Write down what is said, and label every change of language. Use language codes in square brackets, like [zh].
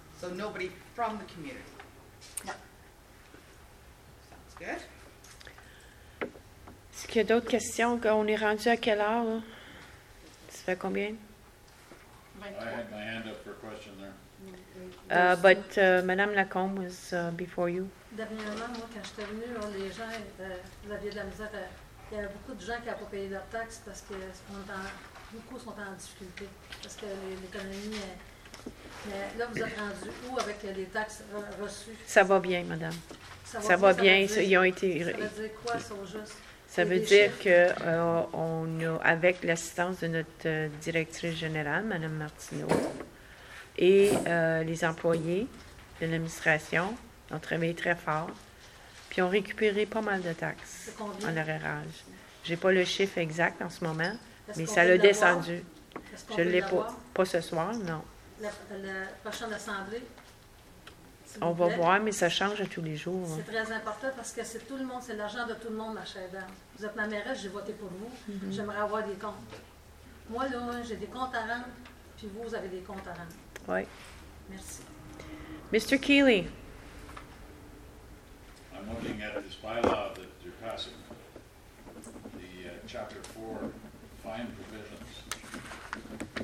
[en] So nobody from the community. No. Sounds good. [fr] Est-ce qu'il y a d'autres questions? On est rendu à quelle heure, là? [en] I had my hand up for a question there. But Madame Lacombe was before you. [fr] Dernièrement, moi, quand j'étais venue, les gens, vous aviez de la misère. Il y avait beaucoup de gens qui n'ont pas payé leurs taxes parce que beaucoup sont en difficulté. Parce que l'économie. Mais là, vous êtes rendu où avec les taxes reçues? Ça va bien, madame. Ça va bien. Ça, ils ont été. Ça veut dire quoi, sont juste? Ça veut dire qu'on a, avec l'assistance de notre directrice générale, Mme Martineau, et les employés de l'administration, on travaille très fort, puis on récupérait pas mal de taxes en arrérage. J'ai pas le chiffre exact en ce moment, mais ça l'a descendu. Je l'ai pas ce soir, non. La prochaine assemblée? On va voir, mais ça change tous les jours. C'est très important parce que c'est tout le monde, c'est l'argent de tout le monde, ma chère dame. Vous êtes ma mairesse, j'ai voté pour vous. Mm-hmm. J'aimerais avoir des comptes. Moi, là, j'ai des comptes à rendre, puis vous avez des comptes à rendre. Oui. Merci. [en] Mr. Keeley. I'm looking at this bylaw that you're passing, the Chapter 4 fine provisions.